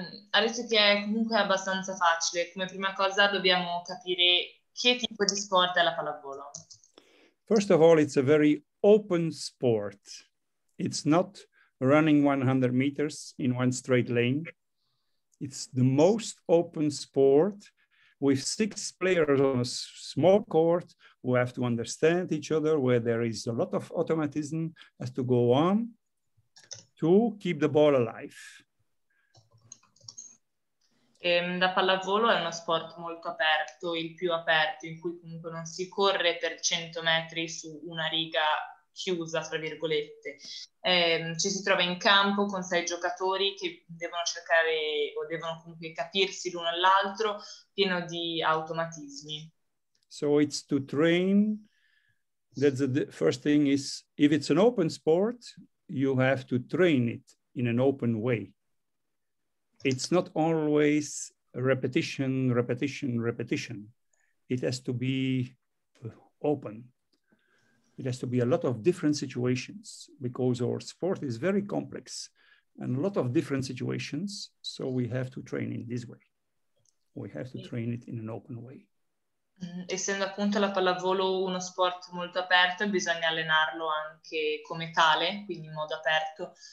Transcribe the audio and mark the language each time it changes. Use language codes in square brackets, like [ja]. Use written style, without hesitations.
[it] ha detto che è comunque abbastanza facile. Come prima cosa dobbiamo capire che tipo di sport è la pallavolo. [en] First of all, it's a very open sport. It's not running 100 meters in one straight lane. It's the most open sport with six players on a small court who have to understand each other, where there is a lot of automatism has to go on to keep the ball alive. [it] Da pallavolo è uno sport molto aperto, il più aperto, in cui comunque non si corre per 100 metri su una riga chiusa, tra virgolette. Ci si trova in campo con sei giocatori che devono cercare o devono comunque capirsi l'uno all'altro, pieno di automatismi. [en] So it's to train. That's the first thing is, if it's an open sport, you have to train it in an open way. It's not always repetition, repetition, repetition. It has to be open. It has to be a lot of different situations because our sport is very complex and a lot of different situations. So we have to train in this way. We have to train it in an open way. [it] Essendo appunto la pallavolo uno sport molto aperto, bisogna allenarlo anche come tale, quindi in modo aperto.